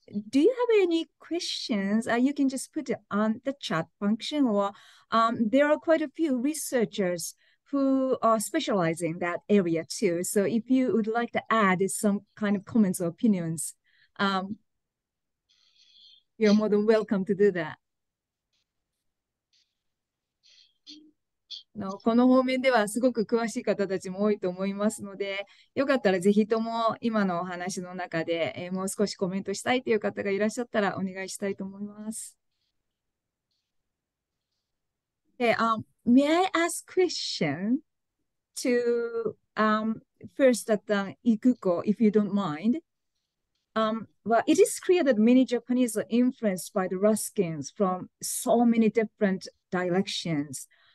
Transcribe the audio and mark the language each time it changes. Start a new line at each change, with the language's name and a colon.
English: Do you have any questions? You can just put it on the chat function, or there are quite a few researchers who are specializing in that area too. So if you would like to add some kind of comments or opinions, you're more than welcome to do that.
Japanese: のこの方面ではすごく詳しい方たちも多いと思いますので、よかったらぜひとも今のお話の中で、もう少しコメントしたいという方がいらっしゃったらお願いしたいと思います。
English: May I ask question to first at Ikuko, if you don't mind? Well, it is clear that many Japanese are influenced by the Ruskins from so many different directions.